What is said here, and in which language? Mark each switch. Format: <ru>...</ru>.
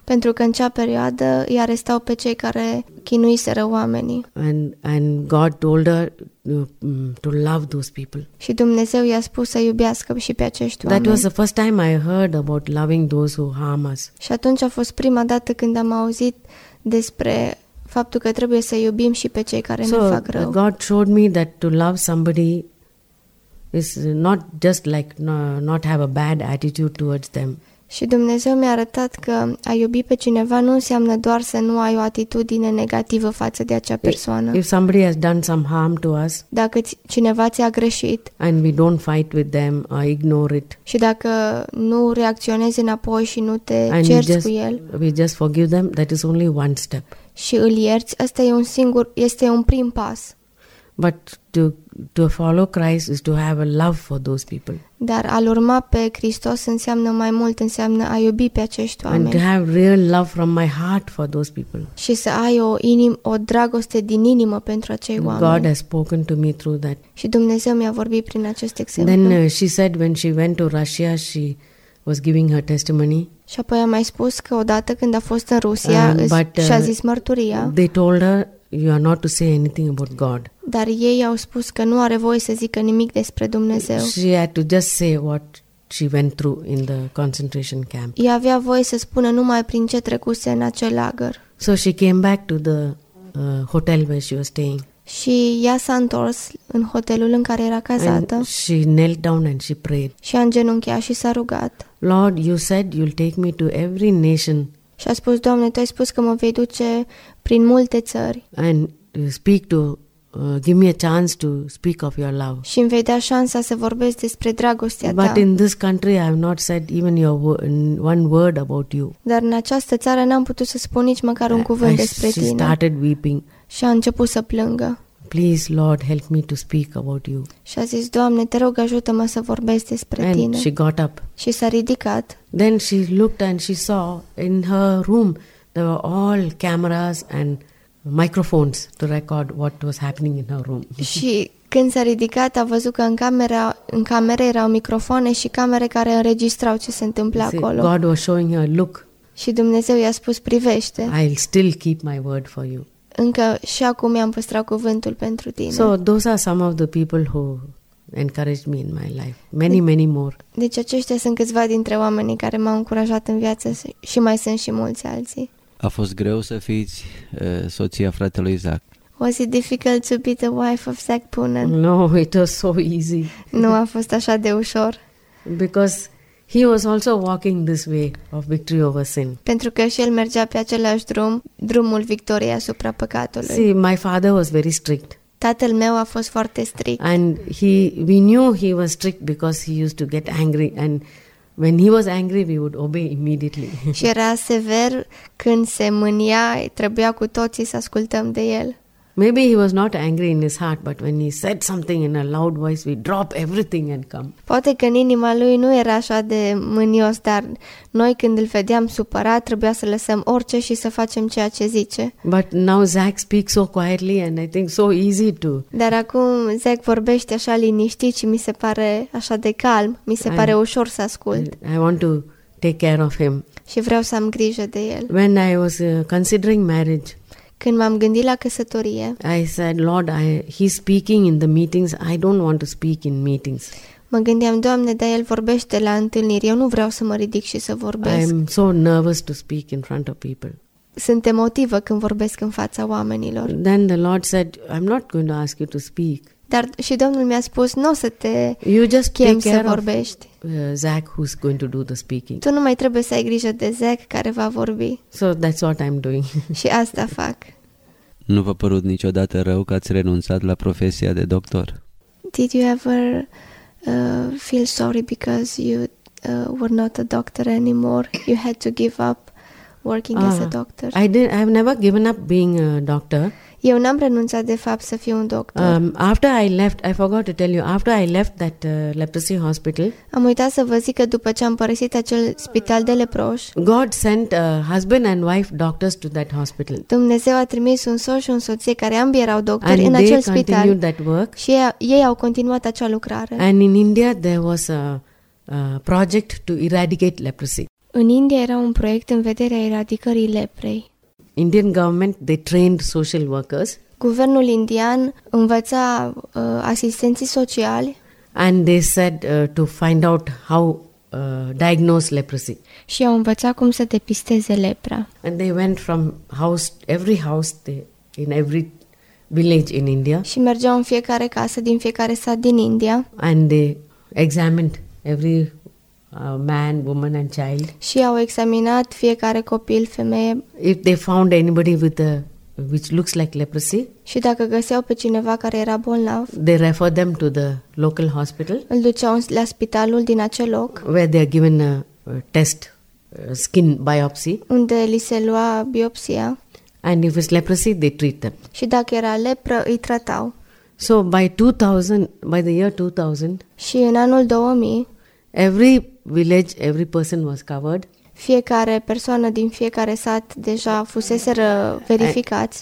<ro>Pentru că în acea perioadă îi arestau pe cei care chinuiseră oamenii.</ro> <en>And God told her to love those people.</en> <ro>Și Dumnezeu i-a spus să iubească și pe acești oameni.</ro> <en>That was the first time I heard about loving those who harm us.</en> <ro>Și atunci a fost prima dată când am auzit despre faptul că trebuie să iubim și pe cei care ne fac rău.</ro> <en>So God showed me that to love somebody is not just like not have a bad attitude towards them.</en> <ro>Și Dumnezeu mi-a arătat că a iubi pe cineva nu înseamnă doar să nu ai o atitudine negativă față de acea persoană.</ro> <en>If somebody has done some harm to us,</en> <ro>dacă cineva ți-a greșit,</ro> <en>and we don't fight with them or ignore it,</en> <ro>și dacă nu reacționezi înapoi și nu te cerți cu el,</ro> <en>we just forgive them, that is only one step.</en> <ro>Și îl ierți, asta e un singur, este un prim pas.</ro> <en>But to follow Christ is to have a love for those people.</en> <ro>Dar a-l urma pe Hristos înseamnă mai mult, înseamnă a iubi pe acești oameni.</ro> <en>And to have real love from my heart for those people.</en> <ro>Și să ai o dragoste din inimă pentru acei oameni.</ro> <en>God has spoken to me through that.</en> <ro>Și Dumnezeu mi-a vorbit prin acest exemplu.</ro> <en>Then she said when she went to Russia, she was giving her testimony.</en> <ro>Și apoi a mai spus că odată când a fost în Rusia și a zis mărturia.</ro> <en>They told her you are not to say anything about God.</en> <ro>Dar ei au spus că nu are voie să zică nimic despre Dumnezeu.</ro> <en>She had to just say what she went through in the concentration camp.</en> <ro>Ea avea voie să spună numai prin ce trecuse în acel lagăr.</ro> <en>So she came back to the hotel where she was staying.</en> <ro>Și ea s-a întors în hotelul în care era cazată.</ro> <en>And she knelt down and she prayed.</en> <ro>Și a îngenunchiat și s-a rugat.</ro> <en>Lord, you said you'll take me to every nation.</en> <ro>Și a spus, Doamne, Tu ai spus că mă vei duce prin multe țări.</ro> <en>And speak to give me a chance to speak of your love.</en> <ro>Și îmi vei da șansa să vorbesc despre dragostea ta.</ro> <en>But in this country I have not said even your one word about you.</en> <ro>Dar în această țară n-am putut să spun nici măcar un cuvânt despre tine.</ro> <en>She started weeping.</en> <ro>Și a început să plângă.</ro> <en>Please Lord help me to speak about you.</en> <ro>Și a zis, Doamne, Te rog ajută-mă să vorbesc despre</ro> <en>and</en> <ro>Tine.</ro> <en>And she got up.</en> <ro>Și s-a ridicat.</ro> <en>Then she looked and she saw in her room there were all cameras and microphones to record what was happening in her room.</en> <ro>Și când s-a ridicat a văzut că în camere erau microfoane și camere care înregistrau ce se întâmpla acolo.</ro> <en>God was showing her, look.</en> <ro>Și Dumnezeu i-a spus, privește.</ro> <en>I'll still keep my word for you.</en> <ro>Încă și acum i-am păstrat cuvântul pentru tine.</ro> <en>So those are some of the people who encouraged me in my life. Many more.</en> <ro>Deci aceștia sunt câțiva dintre oamenii care m-au încurajat în viață și mai sunt și mulți alții. A fost greu să fiți soția fratelui Zac?</ro> <en>Was it difficult to be the wife of Zac Poonen? No, it was so easy.</en> <ro>Nu a fost așa de ușor.</ro> <en>Because he was also walking this way of victory over sin.</en> <ro>Pentru că și el mergea pe același drum, drumul victoriei asupra păcatului.</ro> <en>See, my father was very strict.</en> <ro>Tatăl meu a fost foarte strict.</ro> <en>And we knew he was strict because he used to get angry and when he was angry we would obey immediately.</en> <ro>Și era sever când se mânia, trebuia cu toții să ascultăm de el.</ro> <en>Maybe he was not angry in his heart, but when he said something in a loud voice, we drop everything and come.</en> <ro>Poate că în inima lui nu era așa de mânios, dar noi când îl vedeam supărat, trebuia să lăsăm orice și să facem ceea ce zice.</ro> <en>But now Zach speaks so quietly and I think so easy to.</en> <ro>Dar acum Zach vorbește așa liniștit și mi se pare așa de calm, mi se pare ușor să ascult.</ro> <en>I want to take care of him.</en> <ro>Și vreau să am grijă de el.</ro> <en>When I was considering marriage,</en> <ro>când m-am gândit la căsătorie,</ro> <en>I said, Lord, he's speaking in the meetings. I don't want to speak in meetings.</en> <ro>Mă gândeam, Doamne, dar el vorbește la întâlniri. Eu nu vreau să mă ridic și să vorbesc.</ro> <en>I'm so nervous to speak in front of people.</en> <ro>Sunt emotivă când vorbesc în fața oamenilor.</ro> <en>Then the Lord said, I'm not going to ask you to speak.</en> <ro>Dar și Domnul mi-a spus, nu o să te</ro> <en>you just</en> <ro>chem</ro> <en>take care</en> <ro>să vorbești.</ro> <en>Of, Zach who's going to do the speaking.</en> <ro>Tu nu mai trebuie să ai grijă de Zach care va vorbi.</ro> <en>So that's what I'm doing.</en> <ro>Și asta fac. Nu v-a părut niciodată rău că ați renunțat la profesia de doctor?</ro> <en>Did you ever feel sorry because you were not a doctor anymore. You had to give up working as a doctor. I've never given up being a doctor.</en> <ro>Eu n-am renunțat de fapt să fiu un doctor.</ro> <en>After I left, I forgot to tell you, after I left that leprosy hospital.</en> <ro>Am uitat să vă zic că după ce am părăsit acel spital de leproși.</ro> <en>God sent a husband and wife doctors to that hospital.</en> <ro>Dumnezeu a trimis un soț și un soție care ambii erau doctori în acel spital.</ro> <en>And they continued that work.</en> <ro>Și ei au continuat acea lucrare.</ro> <en>And in India there was a project to eradicate leprosy.</en> <ro>În India era un proiect în vederea eradicării leprei.</ro> <en>Indian government, they trained social workers.</en> <ro>Guvernul indian învăța asistenții sociali.</ro> <en>And they said to find out how diagnose leprosy.</en> <ro>Și au învățat cum să depisteze lepra.</ro> <en>And they went from house, every house in every village in India.</en> <ro>Și mergeau în fiecare casă din fiecare sat din India.</ro> <en>And they examined every man, woman and child.</en> <ro>Și au examinat fiecare copil, femeie.</ro> <en>If they found anybody which looks like leprosy.</en> <ro>Și dacă găseau pe cineva care era bolnav.</ro> <en>They refer them to the local hospital.</en> <ro>Îl duceau la spitalul din acel loc.</ro> <en>Where they are given a test, a skin biopsy.</en> <ro>Unde li se lua biopsia.</ro> <en>And if it's leprosy, they treat them.</en> <ro>Și dacă era lepră, îi tratau.</ro> <en>So by the year 2000.</en> <ro>Și în anul 2000.</ro> <en>Every village, every person was covered.</en> <ro>Fiecare persoană din fiecare sat deja fusese verificați.</ro>